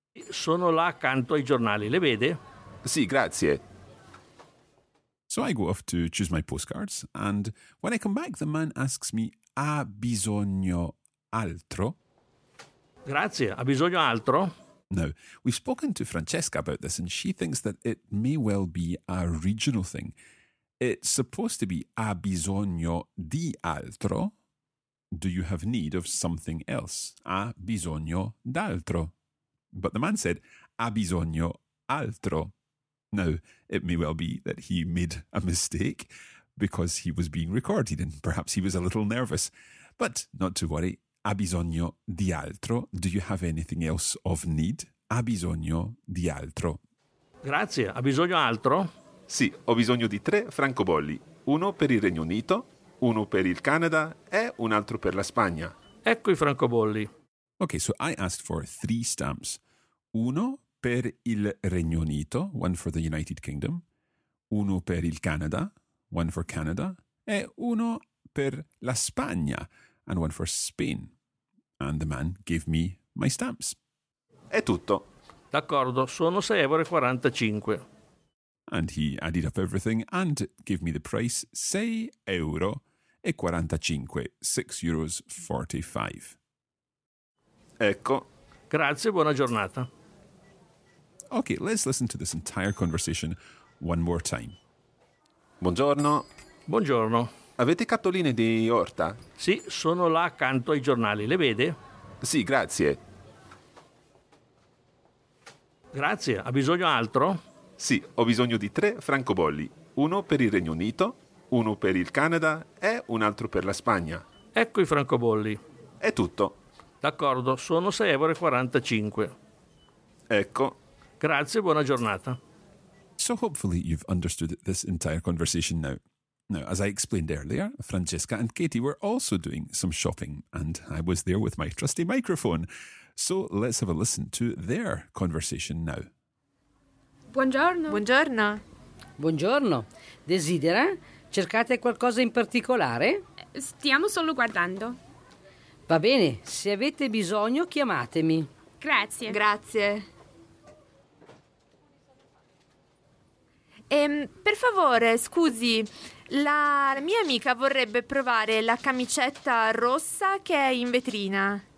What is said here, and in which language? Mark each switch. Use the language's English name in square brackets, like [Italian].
[Italian] Sono là accanto ai giornali, le vede? Sì, grazie. [English] So I go off to choose my postcards, and when I come back, the man asks me, [Italian] ha bisogno altro? Grazie, ha bisogno altro? [English] Now, we've spoken to Francesca about this, and she thinks that it may well be a regional thing. It's supposed to be [Italian] ha bisogno di altro, [English] Do you have need of something else? [Italian] Ha bisogno d'altro. [English] But the man said, [Italian] ha bisogno altro. [English] Now, it may well be that he made a mistake because he was being recorded and perhaps he was a little nervous. But not to worry. [Italian] Ha bisogno di altro. [English] Do you have anything else of need? [Italian] Ha bisogno di altro. Grazie. Ha bisogno altro? Sì, ho bisogno di 3 francobolli. Uno per il Regno Unito, uno per il Canada e un altro per la Spagna. Ecco i francobolli. [English] Okay, so I asked for 3 stamps. [Italian] Uno per il Regno Unito, [English] one for the United Kingdom. [Italian] Uno per il Canada, [English] one for Canada. [Italian] E uno per la Spagna, [English] and one for Spain. And the man gave me my stamps. [Italian] È tutto. D'accordo, sono 6,45 €. And he added up everything and gave me the price, 6,45 €, €6.45. Ecco. Grazie, buona giornata. [English] Okay, let's listen to this entire conversation one more time. [Italian] Buongiorno. Buongiorno. Avete cartoline di orta? Sì, sono là accanto ai giornali. Le vede? Sì, grazie. Grazie, ha bisogno altro? Sì, ho bisogno di 3 francobolli. Uno per il Regno Unito, uno per il Canada e un altro per la Spagna. Ecco i francobolli. È tutto. D'accordo, sono 6,45 €. Ecco. Grazie, buona giornata. [English] So hopefully you've understood this entire conversation now. Now, as I explained earlier, Francesca and Katie were also doing some shopping, and I was there with my trusty microphone. So let's have a listen to their conversation now. [Italian] Buongiorno. Buongiorno. Buongiorno. Desidera? Cercate qualcosa in particolare? Stiamo solo guardando. Va bene, se avete bisogno, chiamatemi. Grazie. Grazie. Per favore, scusi, la mia amica vorrebbe provare la camicetta rossa che è in vetrina.